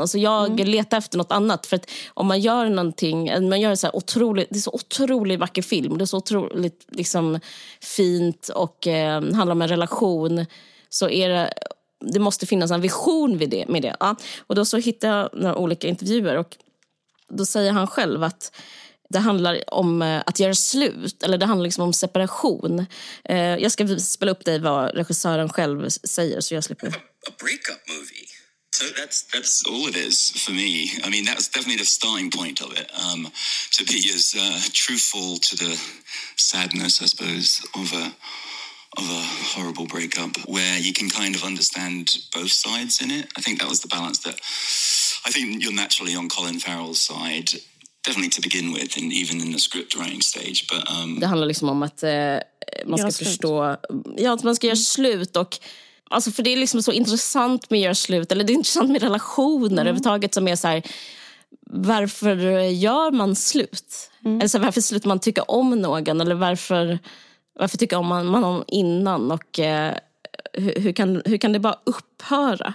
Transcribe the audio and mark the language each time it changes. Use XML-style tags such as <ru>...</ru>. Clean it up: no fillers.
<sv>Alltså jag letar efter något annat, för att om man gör någonting, man gör så här otroligt, det är så otroligt vacker film, det är så otroligt liksom fint, och handlar om en relation, så är det måste finnas en vision vid det, med det. Ja. Och då så hittade jag några olika intervjuer, och då säger han själv att det handlar om att göra slut, eller det handlar liksom om separation. Jag ska spela upp dig vad regissören själv säger, så jag slipper.</sv> <en>A breakup movie. So that's all it is for me. I mean, that's definitely the starting point of it. To be as truthful to the sadness, I suppose, of a horrible breakup, where you can kind of understand both sides in it. I think that was the balance that I think you're naturally on Colin Farrell's side. Definitely to begin with, and even in the script writing stage. But</en> <sv>det handlar liksom om att man ska förstå, ja, att man ska göra slut, och alltså, för det är liksom så intressant med att göra slut, eller det är intressant med relationer överhuvudtaget, som är så här, varför gör man slut? Mm. Eller så här, varför slutar man tycka om någon, eller varför tycker om man någon innan, och hur kan det bara upphöra?</sv>